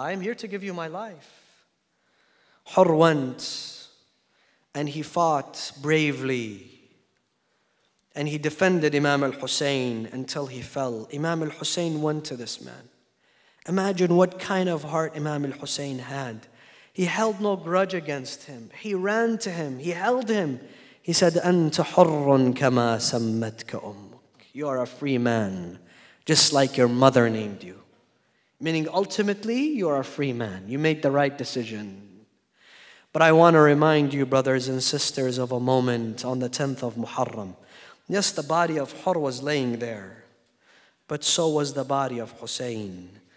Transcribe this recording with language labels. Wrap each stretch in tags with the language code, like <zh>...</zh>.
<en>I am here to give you my life. Hur went, and he fought bravely. And he defended Imam al-Hussein until he fell. Imam al-Hussein went to this man. Imagine what kind of heart Imam al-Hussein had. He held no grudge against him. He ran to him. He held him. He said,</en> <ar>أَنْتَ حُرٌ كَمَا سَمَّتْكَ أُمُّكَ.</ar> <en>You are a free man, just like your mother named you. Meaning ultimately, you are a free man. You made the right decision. But I want to remind you, brothers and sisters, of a moment on the 10th of Muharram. Yes, the body of Hur was laying there. But so was the body of Hussein.</en>